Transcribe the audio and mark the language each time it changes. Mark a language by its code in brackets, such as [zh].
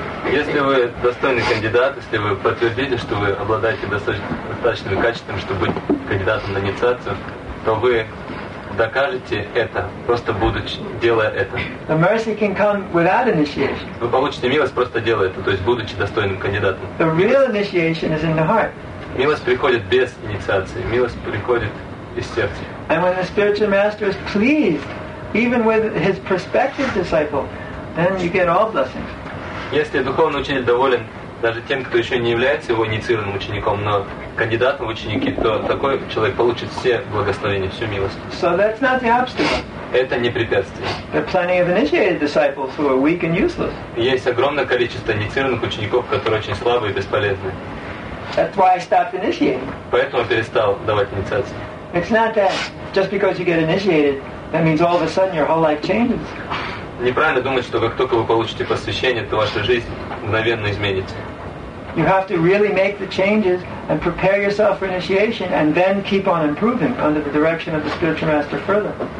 [ru] Если вы достойный кандидат, если вы подтвердите, что вы обладаете достаточными качествами, чтобы быть кандидатом на инициацию, то вы докажете это, просто будучи, делая это. [en] The mercy can come without initiation. [ru] Вы получите милость, просто делая это, то есть будучи достойным кандидатом. [en] The real initiation is in the heart. [ru] Милость приходит без инициации, милость приходит из сердца. [en] And when the spiritual master is pleased, even with his prospective disciple, then you get all blessings. [ru] Если духовный учитель доволен даже тем, кто еще не является его инициированным учеником, но кандидатом в ученики, то такой человек получит все благословения, всю милость. [en] So that's not the obstacle. [ru] Это не препятствие. [en] There are plenty of initiated disciples who are weak and useless. [ru] Есть огромное количество инициированных учеников, которые очень слабые и бесполезны. [en] That's why I stopped initiating. [ru] Поэтому перестал давать инициации. [en] It's not that just because you get initiated, that means all of a sudden your whole life changes. [ru] Неправильно думать, что как только вы получите посвящение, то ваша жизнь мгновенно изменится. [en] You have to really make the changes and prepare yourself for initiation and then keep on improving under the direction of the spiritual master further.